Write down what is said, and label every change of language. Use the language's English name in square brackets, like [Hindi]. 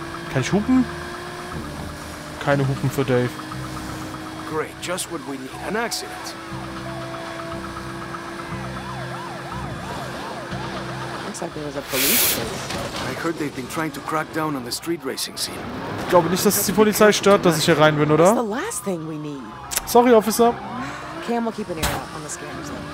[German] Kann ich hupen? Keine Hupen für Dave. [English] Great, just what we need. An accident. Looks like there was a police chase. I heard they've been trying to crack down on the street racing scene. [German] Ich glaube nicht, dass es die Polizei stört, dass ich hier rein bin, oder? [English] The last thing we need. Sorry, Officer. Cam will keep an ear out on the scanners.